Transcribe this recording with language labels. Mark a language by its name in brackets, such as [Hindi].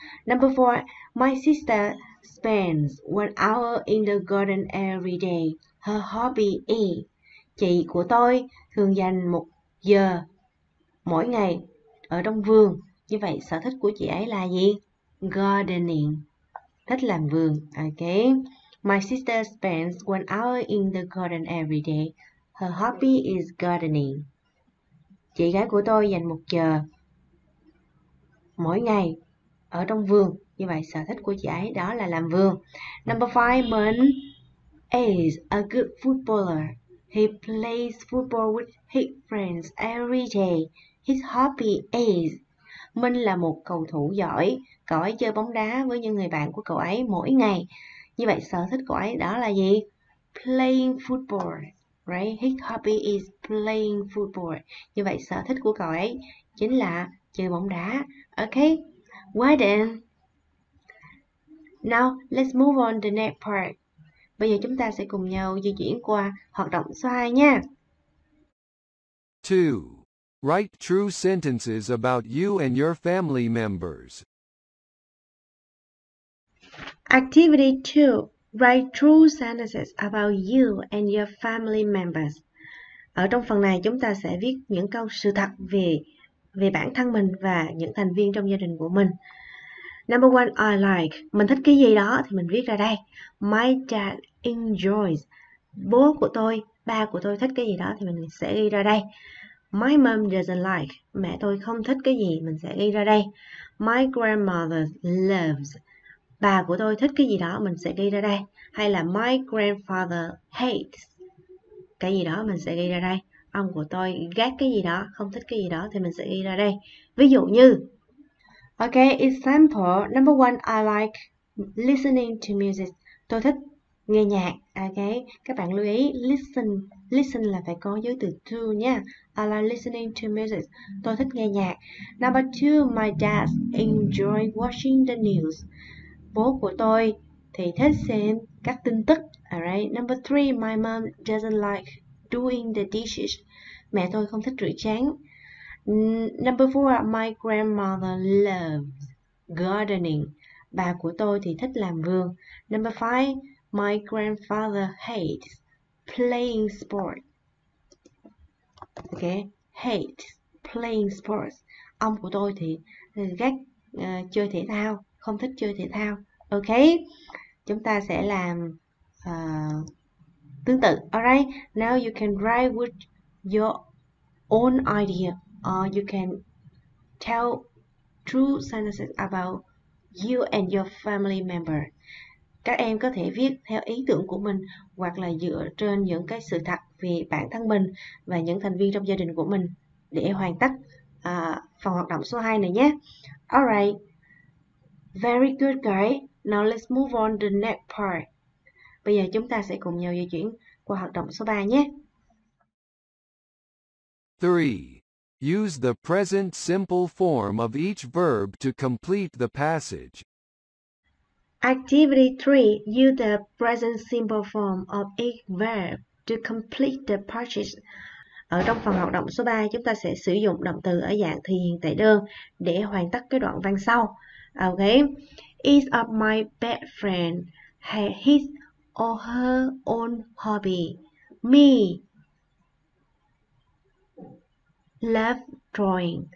[English] Number four, my sister spends 1 hour in the garden every day. Her hobby is... [Vietnamese] Chị của tôi thường dành 1 giờ mỗi ngày ở trong vườn. Như vậy, sở thích của chị ấy là gì? Gardening. Thích làm vườn. Ok. [English] My sister spends 1 hour in the garden every day. Her hobby is gardening. [Vietnamese] Chị gái của tôi dành 1 giờ mỗi ngày ở trong vườn. Như vậy, sở thích của chị ấy đó là làm vườn. [English] Number 5, Mun is a good footballer. He plays football with his friends every day. His hobby is... [Vietnamese] Minh là một cầu thủ giỏi. Cậu ấy chơi bóng đá với những người bạn của cậu ấy mỗi ngày. Như vậy sở thích của ấy đó là gì? [English] Playing football. Right? His hobby is playing football. [Vietnamese] Như vậy sở thích của cậu ấy chính là chơi bóng đá. [English] Okay. Well then. Now, let's move on to the next part. [Vietnamese] Bây giờ chúng ta sẽ cùng nhau di chuyển qua hoạt động số 2 nha. 2. [English] Write true sentences about you and your family members. Activity 2. Write true sentences about you and your family members. [Vietnamese] Ở trong phần này chúng ta sẽ viết những câu sự thật về bản thân mình và những thành viên trong gia đình của mình. [English] Number one, I like. [Vietnamese] Mình thích cái gì đó thì mình viết ra đây. [English] My dad enjoys. [Vietnamese] Bố của tôi, ba của tôi thích cái gì đó thì mình sẽ ghi ra đây. [English] My mom doesn't like. [Vietnamese] Mẹ tôi không thích cái gì, mình sẽ ghi ra đây. [English] My grandmother loves. [Vietnamese] Bà của tôi thích cái gì đó, mình sẽ ghi ra đây. Hay là [English] my grandfather hates. [Vietnamese] Cái gì đó mình sẽ ghi ra đây. Ông của tôi ghét cái gì đó, không thích cái gì đó thì mình sẽ ghi ra đây. Ví dụ như... [English] Okay, example. Number one, I like listening to music. [Vietnamese] Tôi thích nghe nhạc. Okay, các bạn lưu ý, listen. Listen là phải có dấu từ to nha. [English] I like listening to music. [Vietnamese] Tôi thích nghe nhạc. [English] Number two, my dad enjoys watching the news. [Vietnamese] Bố của tôi thì thích xem các tin tức. [English] Alright. Number three, my mom doesn't like doing the dishes. [Vietnamese] Mẹ tôi không thích rửa chén. [English] Number four, my grandmother loves gardening. [Vietnamese] Bà của tôi thì thích làm vườn. [English] Number five, my grandfather hates playing sport. Okay, hates playing sports. [Vietnamese] Ông của tôi thì ghét chơi thể thao, không thích chơi thể thao. Ok, chúng ta sẽ làm tương tự. [English] Alright, now you can write with your own idea, or you can tell true sentences about you and your family member. [Vietnamese] Các em có thể viết theo ý tưởng của mình hoặc là dựa trên những cái sự thật về bản thân mình và những thành viên trong gia đình của mình để hoàn tất phần hoạt động số 2 này nhé. [English] Alright. Very good guys. Now let's move on to the next part. [Vietnamese] Bây giờ chúng ta sẽ cùng nhau di chuyển qua hoạt động số 3 nhé. 3. [English] Use the present simple form of each verb to complete the passage. Activity 3. Use the present simple form of each verb to complete the passage. [Vietnamese] Ở trong phần hoạt động số 3, chúng ta sẽ sử dụng động từ ở dạng thì hiện tại đơn để hoàn tất cái đoạn văn sau. [English] Okay. Each of my best friends has his or her own hobby. Me love drawing.